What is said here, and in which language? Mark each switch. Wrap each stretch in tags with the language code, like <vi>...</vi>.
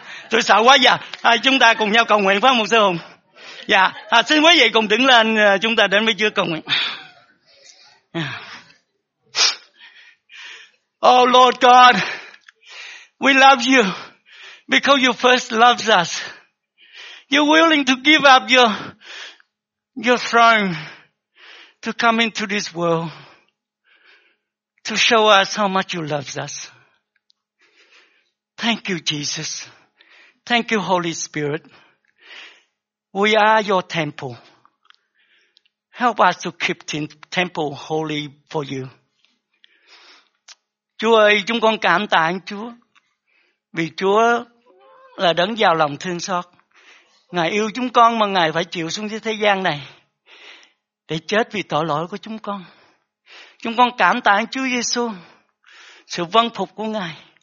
<vi>Tôi sợ quá giờ. Thôi, chúng ta cùng nhau cầu nguyện phải không, một sư hùng? Dạ, xin quý vị cùng đứng lên, chúng ta đến với Chúa cầu nguyện.</vi> <en>Oh Lord God, we love you because you first loved us. You're willing to give up your throne to come into this world to show us how much you love us. Thank you, Jesus. Thank you, Holy Spirit. We are your temple. Help us to keep the temple holy for you.</en> <vi>Chúa ơi, chúng con cảm tạ anh Chúa vì Chúa là đấng giàu lòng thương xót. Ngài yêu chúng con mà Ngài phải chịu xuống thế gian này để chết vì tội lỗi của chúng con. Chúng con cảm tạ anh Chúa Giê-xu, sự vâng phục của Ngài.</vi>